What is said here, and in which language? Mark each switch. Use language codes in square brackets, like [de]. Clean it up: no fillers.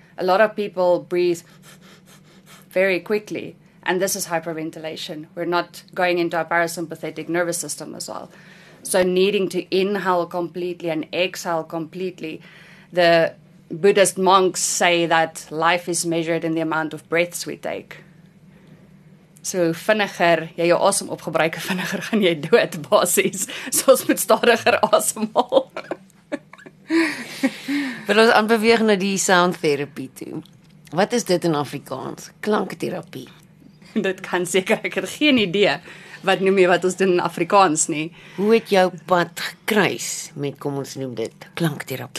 [en] A lot of people breathe very quickly, and this is hyperventilation. We're not going into our parasympathetic nervous system as well. So needing to inhale completely and exhale completely. The Buddhist monks say that life is measured in the amount of breaths we take. [af] So vinniger jy jou asem opgebruik, vinniger gaan jy dood basies. So ons moet stadiger asemhaal. Wil ons aanbeweeg na die sound therapy toe. Wat is dit in Afrikaans? Klankterapie. Dit kan seker, ek het geen idee wat noem jy wat ons doen in Afrikaans nie. Hoe het jou pad gekruis met, kom ons noem dit, klankterapie?